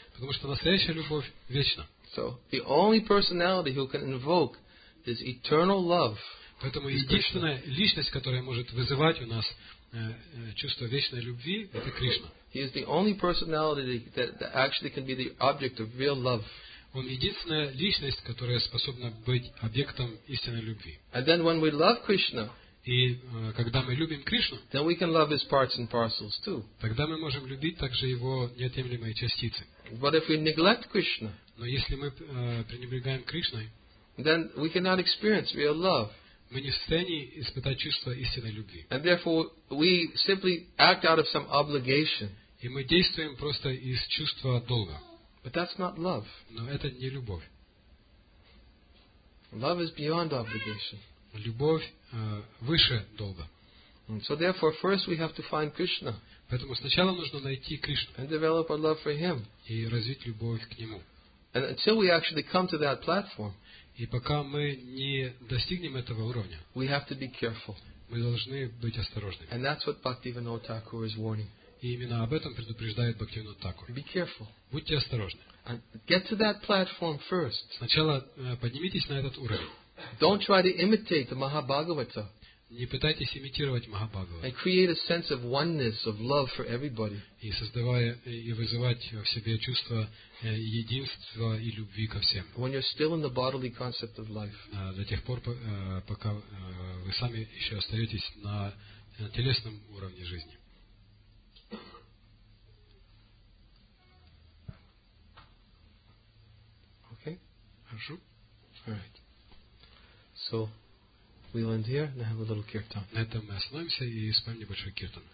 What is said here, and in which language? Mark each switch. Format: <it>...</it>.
<ru>Потому что настоящая любовь вечна.</ru> <en>So the only personality who can invoke this eternal love.</en> <ru>Поэтому единственная личность, которая может вызывать у нас чувство вечной любви, это Кришна.</ru> <en>He is the only personality that actually can be the object of real love.</en> <ru>Он единственная личность, которая способна быть объектом истинной любви.</ru> <en>And then when we love Krishna,</en> <ru>и когда мы любим Кришну,</ru> <en>then we can love his parts and parcels too.</en> <ru>Тогда мы можем любить также его неотъемлемые частицы.</ru> <en>But if we neglect Krishna,</en> <ru>но если мы пренебрегаем Кришной,</ru> <en>then we cannot experience real love.</en> <ru>Мы не в состоянии испытать чувство истинной любви.</ru> <en>And therefore we simply act out of some obligation.</en> <ru>И мы действуем просто из чувства долга.</ru> <en>But that's not love.</en> <ru>Но это не любовь.</ru> <en>Love is beyond obligation.</en> <ru>Любовь выше долга.</ru> <en>So therefore first we have to find Krishna.</en> <ru>Поэтому сначала нужно найти Кришну.</ru> <en>And develop our love for him.</en> <ru>И развить любовь к нему.</ru> <en>And until we actually come to that platform,</en> <ru>и пока мы не достигнем этого уровня,</ru> <en>we have to be careful.</en> <ru>Мы должны быть осторожными.</ru> <en>And that's what Bhaktivinoda Thakur is warning.</en> <ru>И именно об этом предупреждает Бхактивинода Такур.</ru> <en>Be careful.</en> <ru>Будьте осторожны.</ru> <en>And get to that platform first.</en> <ru>Сначала поднимитесь на этот уровень.</ru> <en>Don't try to imitate the Mahabhagavata.</en> <ru>Не пытайтесь имитировать Махабхагавату.</ru> <en>And create a sense of oneness, of love for everybody.</en> <ru>И создавая и вызывать в себе чувство единства и любви ко всем.</ru> <en>When you're still in the bodily concept of life.</en> <ru>До тех пор, пока вы сами еще остаетесь на телесном уровне жизни.</ru> <en>Okay.</en> <ru>Хорошо.</ru> <en>All right. So we'll end here and have a little kirtan.</en> <ru>На этом мы остановимся и исполним небольшой киртан.</ru>